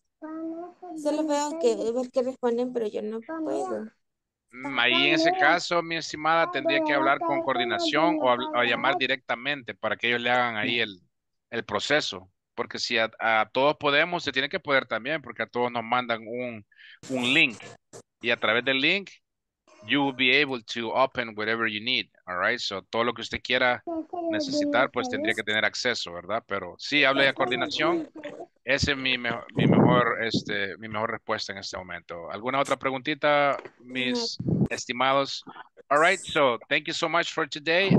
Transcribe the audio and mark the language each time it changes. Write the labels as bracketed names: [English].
[Spanish] Solo veo que ver qué responden, pero yo no puedo. Ahí en ese caso, mi estimada, tendría que hablar con coordinación o llamar directamente para que ellos le hagan ahí el proceso. Porque si a todos podemos, se tiene que poder también, porque a todos nos mandan un link. Y a través del link, [English] you will be able to open whatever you need, all right? [Spanish] So, todo lo que usted quiera necesitar, pues tendría que tener acceso, ¿verdad? Pero sí, hable de coordinación. Esa es mi mejor respuesta en este momento. ¿Alguna otra preguntita, mis estimados? [English] All right, so, thank you so much for today.